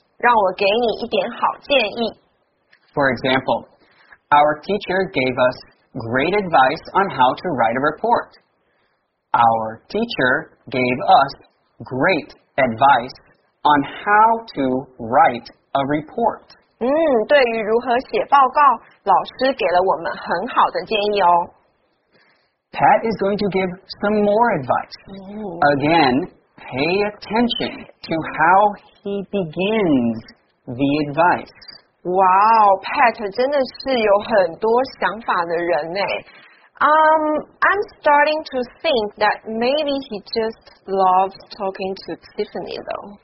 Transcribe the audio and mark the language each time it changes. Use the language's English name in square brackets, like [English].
[Chinese] 让我给你一点好建议。 [English] For example, our teacher gave us great advice on how to write a report. Our teacher gave us great advice on how to write a report. [Chinese] 对于如何写报告，老师给了我们很好的建议哦。 [English] Pat is going to give some more advice. Again, pay attention to how he begins the advice. [Chinese] Wow, Pat 真的是有很多想法的人耶。 [English] I'm starting to think that maybe he just loves talking to Tiffany though.